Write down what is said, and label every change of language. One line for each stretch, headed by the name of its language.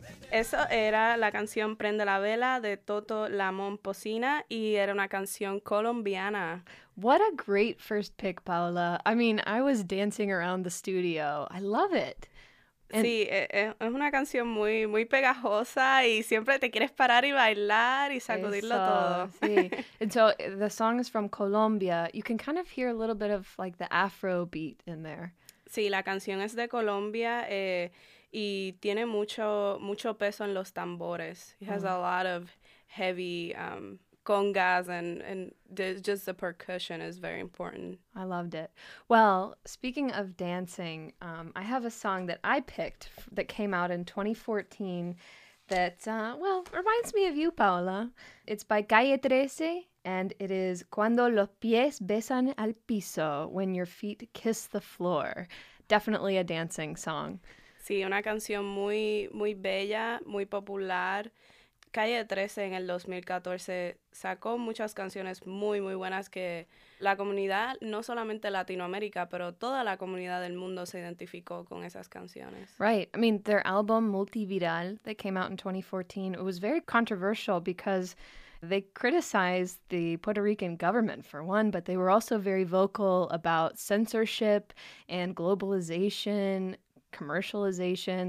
Spanish: Eso era la canción Prende la Vela de Toto la Momposina y era una canción colombiana.
English: What a great first pick, Paola. I mean, I was dancing around the studio. I love it.
Spanish: And sí, es una canción muy, muy pegajosa y siempre te quieres parar y bailar y sacudirlo eso, todo.
English: Sí. And so the song is from Colombia. You can kind of hear a little bit of like the Afro beat in there.
Spanish: Sí, la canción es de Colombia y tiene mucho, mucho peso en los tambores.
English: It has a lot of heavy congas and just the percussion is very important. I loved it. Well, speaking of dancing, I have a song that I picked that came out in 2014 that, reminds me of you, Paola. It's by Calle 13 and it is Cuando los pies besan al piso, when your feet kiss the floor. Definitely a dancing song.
Spanish: Sí, una canción muy, muy bella, muy popular. Calle 13 en el 2014 sacó muchas canciones muy, muy buenas que la comunidad, no solamente Latinoamérica, pero toda la comunidad del mundo se identificó con esas canciones.
English: Right. I mean, their album Multiviral that came out in 2014, it was very controversial because they criticized the Puerto Rican government, for one, but they were also very vocal about censorship and globalization, commercialization.